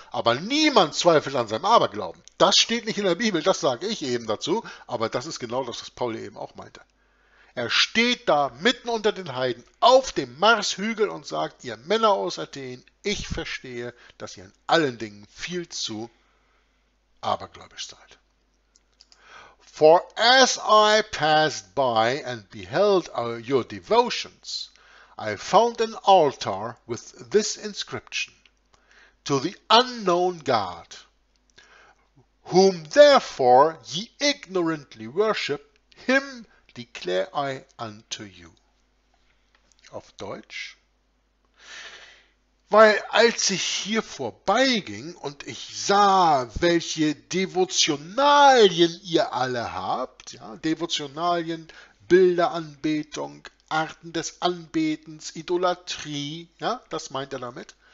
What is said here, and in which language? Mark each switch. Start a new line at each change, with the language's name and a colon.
German: Aber niemand zweifelt an seinem Aberglauben. Das steht nicht in der Bibel, das sage ich eben dazu. Aber das ist genau das, was Paul eben auch meinte. Er steht da mitten unter den Heiden auf dem Marshügel und sagt, ihr Männer aus Athen, ich verstehe, dass ihr in allen Dingen viel zu abergläubisch seid.
English: For as I passed by and beheld your devotions, I found an altar with this inscription, To the unknown God, whom therefore ye ignorantly worship, him declare I unto you.
German: Auf Deutsch. Weil als ich hier vorbeiging und ich sah, welche Devotionalien ihr alle habt, ja, Devotionalien, Bilderanbetung, Arten des Anbetens, Idolatrie, ja, das meint er damit.